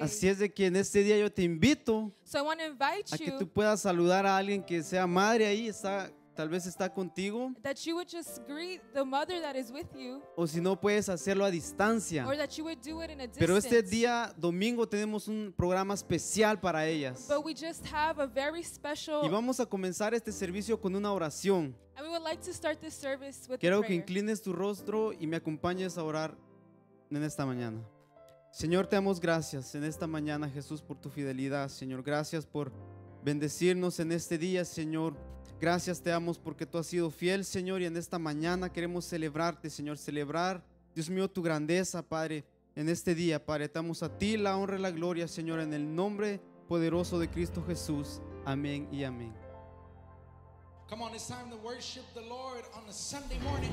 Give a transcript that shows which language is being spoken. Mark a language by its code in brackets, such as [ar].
[es] Así es de que en este día yo te invito. [en] So I want to invite you. [es] A que tú puedas saludar a alguien que sea madre ahí, está, tal vez está contigo. [en] That you would just greet the mother that is with you. [es] O si no, puedes hacerlo a distancia. [en] Or that you would do it in a distance. [es] Pero este día domingo tenemos un programa especial para ellas. [en] But we just have a very special. [es] Y vamos a comenzar este servicio con una oración. [en] And we would like to start this service with [es] prayer. Quiero que inclines tu rostro y me acompañes a orar en esta mañana. Señor, te damos gracias en esta mañana, Jesús, por tu fidelidad. Señor, gracias por bendecirnos en este día, Señor. Gracias te damos porque tú has sido fiel, Señor, y en esta mañana queremos celebrarte, Señor, celebrar, Dios mío, tu grandeza, Padre, en este día, Padre. Te damos a ti la honra y la gloria, Señor, en el nombre poderoso de Cristo Jesús. Amén y amén. [en] Come on, it's time to worship the Lord on a Sunday morning.